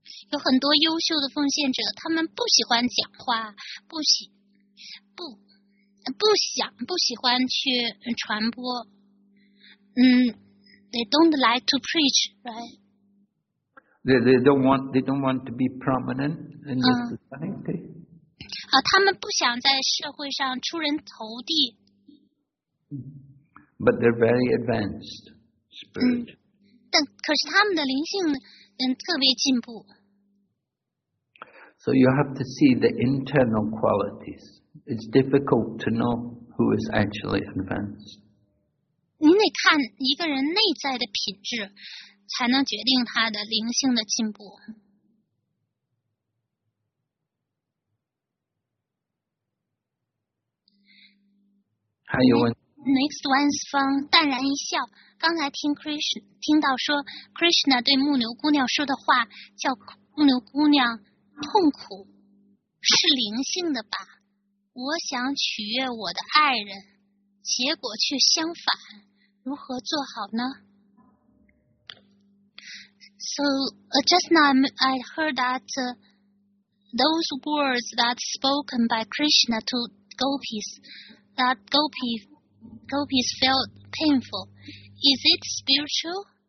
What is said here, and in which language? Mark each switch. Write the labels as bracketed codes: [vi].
[zh] 有很多优秀的奉献者，他们不喜欢讲话，不喜欢去传播。 [en] They don't like to preach, right? They don't want to be prominent in this society. [zh] 他们不想在社会上出人头地。 [en] But they're very advanced spiritually. [zh] 但可是他们的灵性特别进步。 [en] So you have to see the internal qualities. It's difficult to know who is actually advanced. [zh] 你得看一个人内在的品质才能决定他的灵性的进步。还有问 [en] Next one is from [zh] 淡然一笑。刚才听 Krishna 听到说 Krishna 对牧牛姑娘说的话叫牧牛姑娘痛苦，是灵性的吧？我想取悦我的爱人，结果却相反，如何做好呢？ [en] So just now I heard that those words that spoken by Krishna to gopis, that gopis felt painful. Is it spiritual?